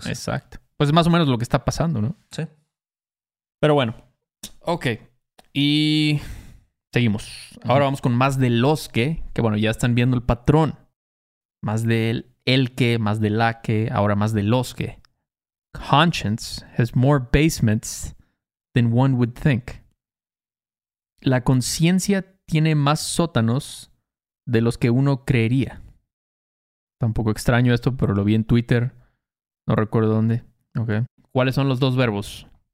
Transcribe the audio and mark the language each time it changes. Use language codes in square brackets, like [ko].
[es] Sí. Exacto. Pues es más o menos lo que está pasando, ¿no? Sí. Pero bueno. Ok. Y... Seguimos. Ahora vamos con más de los que bueno, ya están viendo el patrón. Más del el que, más de la que, ahora más de los que. [en] Conscience has more basements than one would think. [es] La conciencia tiene más sótanos de los que uno creería. Está un poco extraño esto, pero lo vi en Twitter. No recuerdo dónde. Okay. ¿Cuáles son los dos verbos?